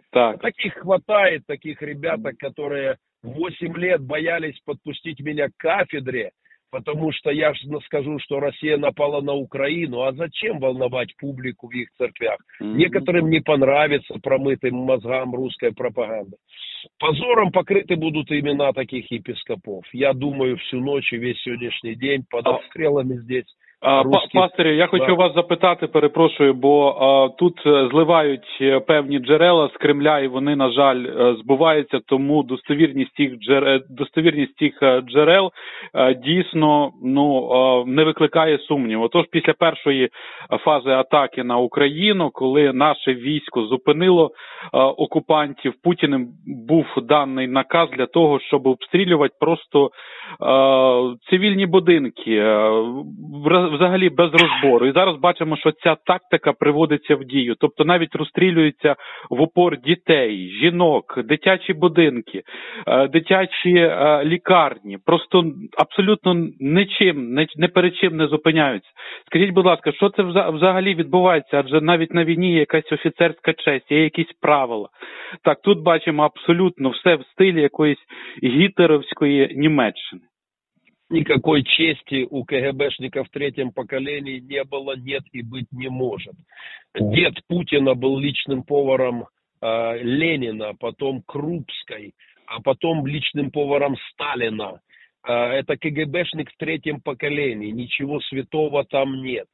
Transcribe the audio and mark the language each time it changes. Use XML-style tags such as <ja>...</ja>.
<ru>Таких хватает, таких ребят, которые 8 лет боялись подпустить меня к кафедре, потому что я же скажу, что Россия напала на Украину, а зачем волновать публику в их церквях? Некоторым не понравится промытым мозгам русская пропаганда. Позором покрыты будут имена таких епископов. Я думаю, всю ночь и весь сегодняшний день под обстрелами здесь.</ru> <uk>Пастирі, я хочу вас запитати, перепрошую, бо тут зливають певні джерела з Кремля, і вони, на жаль, збуваються, тому достовірність тих джерел дійсно не викликає сумнів. Отож, після першої фази атаки на Україну, коли наше військо зупинило окупантів, Путіним був даний наказ для того, щоб обстрілювати просто цивільні будинки, взагалі без розбору. І зараз бачимо, що ця тактика приводиться в дію. Тобто навіть розстрілюється в упор дітей, жінок, дитячі будинки, дитячі лікарні. Просто абсолютно нічим, не перед чим не зупиняються. Скажіть, будь ласка, що це взагалі відбувається? Адже навіть на війні є якась офіцерська честь, є якісь правила. Так, тут бачимо абсолютно все в стилі якоїсь гітлерівської Німеччини.</uk> <ru>Никакой чести у КГБшника в третьем поколении не было, нет и быть не может. Дед Путина был личным поваром Ленина, потом Крупской, а потом личным поваром Сталина. Это КГБшник в третьем поколении, ничего святого там нет.</ru>